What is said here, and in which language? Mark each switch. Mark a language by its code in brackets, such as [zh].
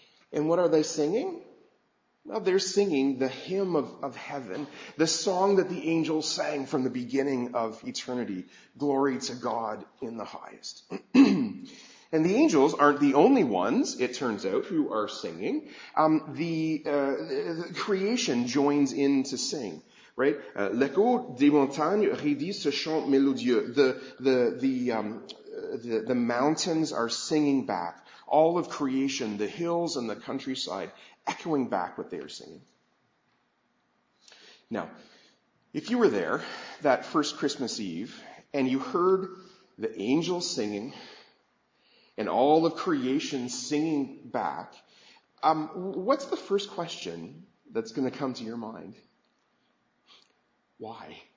[en] And what are they singing? Well, they're singing the hymn of heaven, the song that the angels sang from the beginning of eternity, glory to God in the highest. And the angels aren't the only ones, it turns out, who are singing. The creation joins in to sing. Right? [fr] L'écho des montagnes redit ce chant mélodieux. [en] The mountains are singing back. All of creation, the hills and the countryside, echoing back what they are singing. Now, if you were there that first Christmas Eve and you heard the angels singing and all of creation singing back, what's the first question that's going to come to your mind? Why?